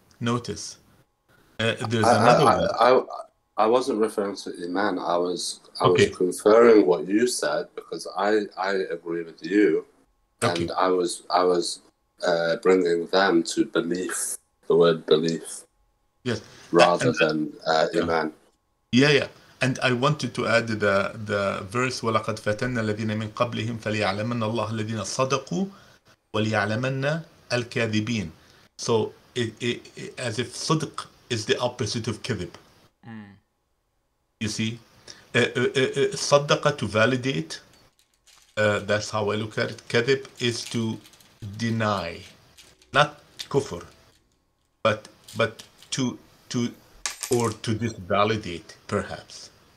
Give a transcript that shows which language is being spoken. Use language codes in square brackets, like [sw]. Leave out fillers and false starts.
[en] Notice, there's another one. I wasn't referring to iman. I was conferring what you said, because I agree with you, and I was bringing them to belief, the word belief, yes, rather than iman. Yeah. And I wanted to add the verse, [ar] وَلَقَدْ فَتَنَّ الَّذِينَ مِنْ قَبْلِهِمْ فَلْيَعْلَمَنَّ اللَّهَ الَّذِينَ صَدَقُوا وَلْيَعْلَمَنَّ الْكَاذِبِينَ. So [en] as if Sidq is the opposite of Kidib. You see? Saddaqa, to validate, that's how I look at it. Kadib is to deny, not kufr, but to or to disvalidate, perhaps.